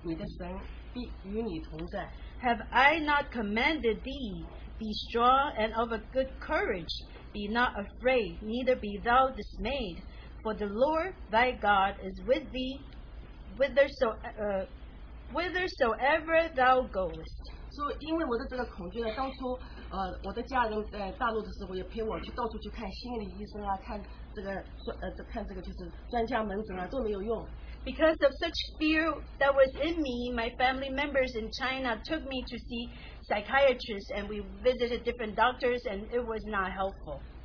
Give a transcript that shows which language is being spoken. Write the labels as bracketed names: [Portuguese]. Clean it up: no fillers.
[Chinese] 我岂能没有吩咐你吗？你当刚强壮胆，不要惧怕，也不要惊慌，因为你无论往哪里去，耶和华你的神必与你同在。 [English] Have I not commanded thee, be strong and of a good courage? Be not afraid, neither be thou dismayed, for the Lord thy God is with thee whithersoever thou goest. So, [Chinese] 因为我的这个恐惧呢，当初我的家人在大陆的时候也陪我去到处去看心理医生啊，看这个就是专家门诊啊，都没有用。 [English] Because of such fear that was in me, my family members in China took me to see psychiatrists, and we visited different doctors, and it was not helpful.